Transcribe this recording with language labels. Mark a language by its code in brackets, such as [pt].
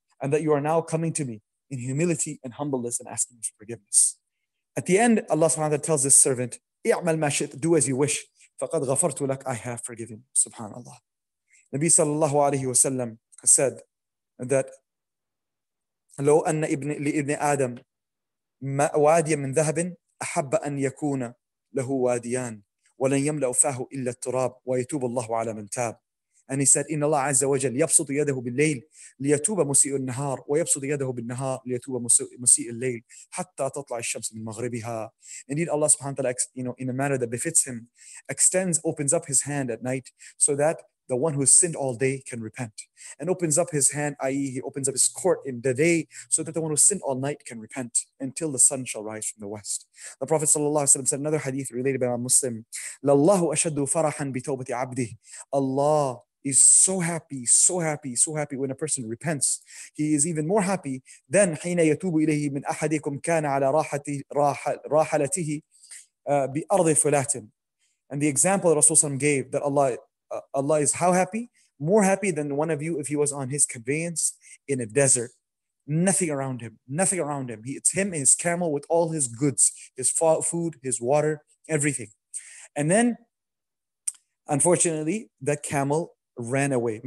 [en] And that you are now coming to me in humility and humbleness and asking for forgiveness. At the end, Allah subhanahu wa ta'ala tells this servant, [ar] اِعْمَلْ مَا شِئْتْ. [en] Do as you wish. [ar] فَقَدْ غَفَرْتُ لَكَ. [en] I have forgiven. Subhanallah. Nabi sallallahu alayhi wa sallam has said that [ar] لو أن ابن لابن آدم واديا من ذهب أحب أن يكون له واديان ولن يملأ فاه إلا التراب ويتوب الله على من تاب. [en] And he said, [ar] إن الله عز وجل يبسط يده بالليل ليتوب مسيء النهار ويبسط يده بالنهار ليتوب مسيء الليل حتى تطلع الشمس من مغربها. [en] Indeed, Allah subhanahu wa ta'ala, you know, in a manner that befits him, extends, opens up his hand at night so that the one who has sinned all day can repent. And opens up his hand, i.e. he opens up his court in the day so that the one who has sinned all night can repent until the sun shall rise from the west. The Prophet sallallahu alaihi wasallam said another hadith related by Imam Muslim, [ar] لَاللَّهُ أَشَدُّ فَرَحًا بِتَوْبَةِ عَبْدِهِ. [en] Allah is so happy when a person repents. He is even more happy than [ar] حِينَ يَتُوبُ إِلَيْهِ مِنْ أَحَدِكُمْ كَانَ عَلَى رَاحَلَتِهِ بِأَرْضِ فُلَاتٍ. [en] And the example that Rasul sallallahu alaihi wasallam gave, that Allah is how happy? More happy than one of you if he was on his conveyance in a desert. Nothing around him. It's him and his camel with all his goods, his food, his water, everything. And then, unfortunately, that camel ran away.